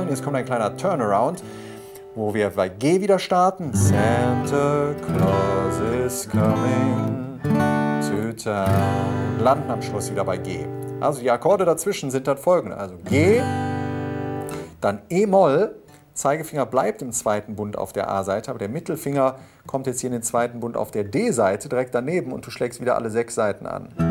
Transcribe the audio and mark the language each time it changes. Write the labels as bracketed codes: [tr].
[de] Und jetzt kommt ein kleiner Turnaround, wo wir bei G wieder starten. [en] Santa Claus is coming to town. [de] Landen am Schluss wieder bei G. Also die Akkorde dazwischen sind dann folgende. Also G, dann E-Moll. Zeigefinger bleibt im zweiten Bund auf der A-Seite, aber der Mittelfinger kommt jetzt hier in den zweiten Bund auf der D-Seite direkt daneben und du schlägst wieder alle sechs Seiten an.